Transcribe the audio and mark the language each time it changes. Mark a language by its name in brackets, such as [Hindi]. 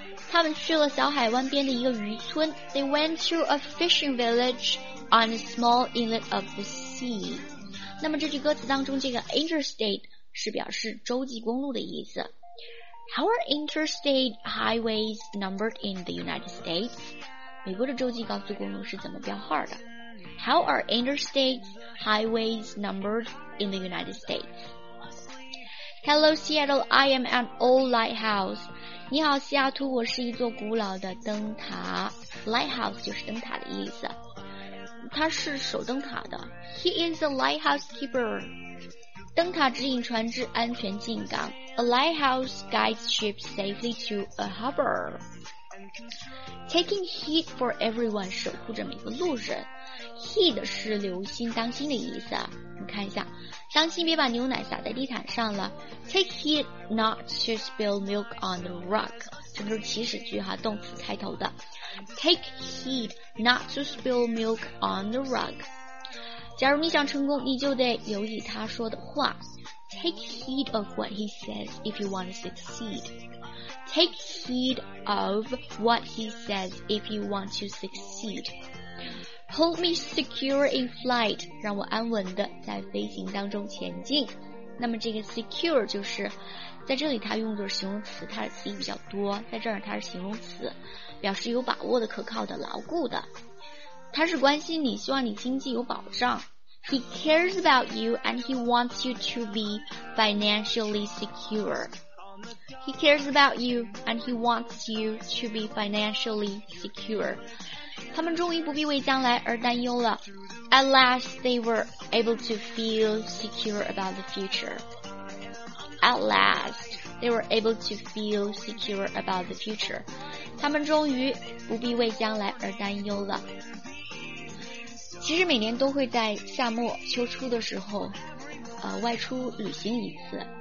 [Chinese] 他们去了小海湾边的一个渔村。 [English] They went to a fishing village on a small inlet of the sea. [Chinese] 那么这句歌词当中这个 interstate是表示洲际公路的意思。 [English] How are interstate highways numbered in the United States? [Chinese] 美国的洲际高速公路是怎么标号的？ [English] How are interstate highways numbered in the United States? Hello Seattle, I am an old lighthouse. [Chinese] 你好西雅图，我是一座古老的灯塔。 Lighthouse 就是灯塔的意思，他是守灯塔的。 [English] He is a lighthouse keeper. [Chinese] 灯塔指引船只安全进港。 [English] A lighthouse guides ships safely to a harbor. Taking heed for everyone, [Chinese] 守护着每个路人。Heed 是留心当心的意思。你看一下，当心别把牛奶洒在地毯上了。 [English] Take heed not to spill milk on the rug. [Chinese] 这是祈使句哈，动词开头的。 [English] Take heed not to spill milk on the rug. [Chinese] 假如你想成功，你就得留意他说的话。 [English] Take heed of what he says if you want to succeed. Take heed of what he says if you want to succeed. Hold me secure in flight. [Chinese] 让我安稳的在飞行当中前进。那么这个 secure 就是在这里它用作形容词，它的词义比较多，在这儿它是形容词，表示有把握的、可靠的、牢固的。他是关心你，希望你经济有保障。 [English] He cares about you and he wants you to be financially secure. He cares about you and he wants you to be financially secure. [Chinese] 他们终于不必为将来而担忧了。 [English] At last they were able to feel secure about the future. At last they were able to feel secure about the future. [Chinese] 他们终于不必为将来而担忧了。其实每年都会在夏末秋初的时候外出旅行一次。